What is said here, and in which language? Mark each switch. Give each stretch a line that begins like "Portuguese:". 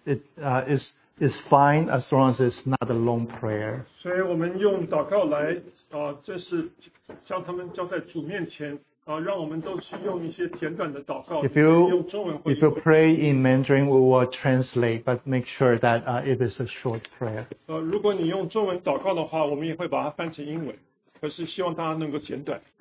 English: It is fine as long as it's not a long prayer.
Chinese: 所以我们用祷告来, 这是向他们交在主面前。
English: If you pray in Mandarin, we will translate, but make sure that it is a short prayer.
Chinese: 如果你用中文祷告的话，我们也会把它翻成英文，可是希望大家能够简短。